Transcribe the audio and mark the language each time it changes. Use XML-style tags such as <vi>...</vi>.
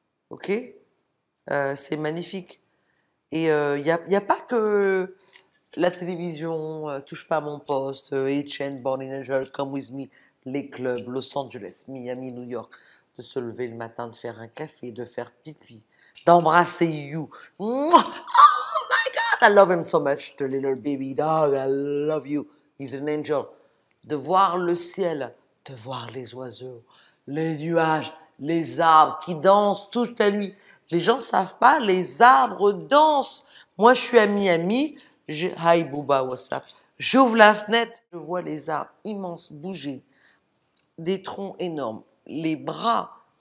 <fr>Ok ? C'est magnifique. Et y a pas que la télévision, touche pas à mon poste, Etienne, Born in Angel, Come With Me, les clubs, Los Angeles, Miami, New York, de se lever le matin, de faire un café, de faire pipi, d'embrasser You.</fr> <en>Oh my God! I love him so much, the little baby dog, I love you, he's an angel.</en> <fr>De voir le ciel, de voir les oiseaux, les nuages, les arbres qui dansent toute la nuit. Les gens savent pas, les arbres dansent. Moi, je suis à Miami,</fr> <en>hi Booba, what's up?</en> <fr>J'ouvre la fenêtre, je vois les arbres immenses bouger, des troncs énormes, les bras.</fr>